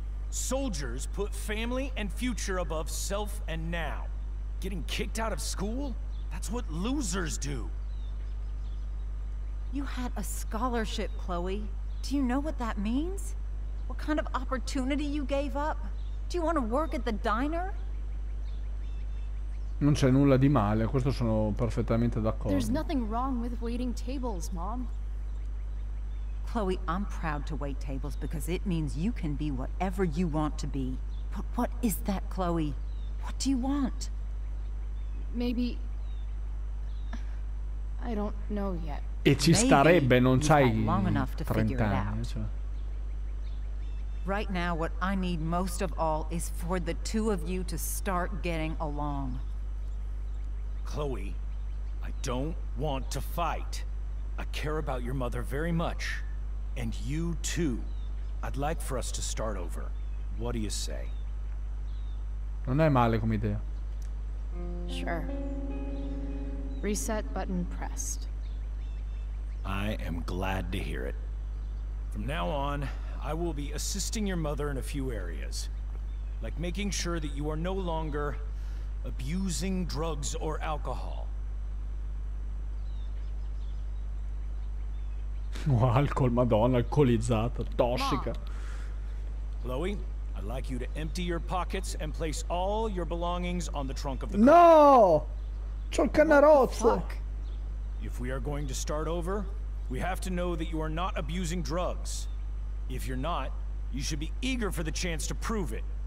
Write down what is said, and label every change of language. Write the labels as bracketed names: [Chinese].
[English] Soldiers put family and future above self and now. Getting kicked out of school? That's what losers do. You had a scholarship, Chloe. Do you know what that means? What kind of opportunity you gave up? Do you want to work at the diner? [Italian] Non c'è nulla di male, questo sono perfettamente d'accordo. [English] There's nothing wrong with waiting tables, Mom. Chloe, I'm proud to wait tables because it means you can be whatever you want to be. But what is that, Chloe? What do you want? Maybe I don't know yet. [Italian] E ci starebbe, non c'hai 30 anni, cioè. [English] Right now what I need most of all is for the two of you to start getting along. Chloe, I don't want to fight. I care about your mother very much and you too. I'd like for us to start over. What do you say? [Italian] Non è male come idea. [English] Sure. Reset button pressed. I am glad to hear it. From now on, I will be assisting your mother in a few areas. Like making sure that you are no longer abusing drugs or alcohol. [Italian] Alcol, madonna, alcolizzata, tossica. [English] Chloe? I'd like you to empty your pockets and place all your belongings on the trunk of the car. [Italian] No! C'ho il canarozzo! [English] If we are going to start over, we have to know that you are not abusing drugs. If you're not, you should be eager for the chance to prove it.